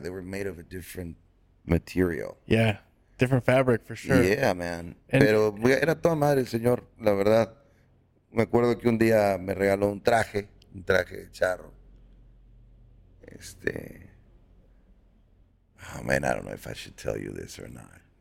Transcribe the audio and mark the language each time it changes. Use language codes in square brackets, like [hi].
[en] They were made of a different material. Yeah, different fabric for sure. Yeah, man. [es] Pero era toda madre, señor, la verdad. Me acuerdo que un día me regaló un traje de charro. [en] Oh man, I don't know if I should tell you this or not.